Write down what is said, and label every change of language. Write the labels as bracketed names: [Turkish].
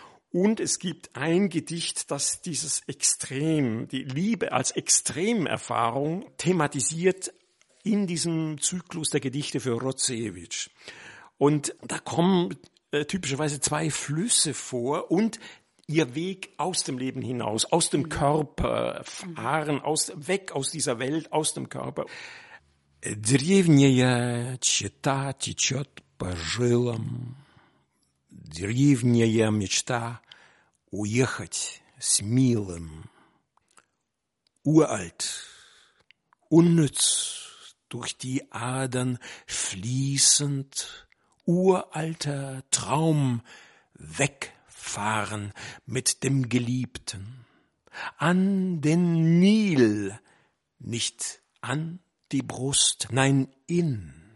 [German] Und es gibt ein Gedicht, das dieses Extrem, die Liebe als Extremerfahrung thematisiert in diesem Zyklus der Gedichte für Radzewitsch. Und da kommen typischerweise zwei Flüsse vor und ihr Weg aus dem Leben hinaus, aus dem Körper fahren, weg aus dieser Welt, aus dem Körper. [Russian] Древняя чета течет по жилам, древняя мечта уехать с милым. [German] Uralt, unnütz, durch die Adern fließend, uralter Traum wegfahren mit dem Geliebten, an den Nil, nicht an die Brust, nein, in,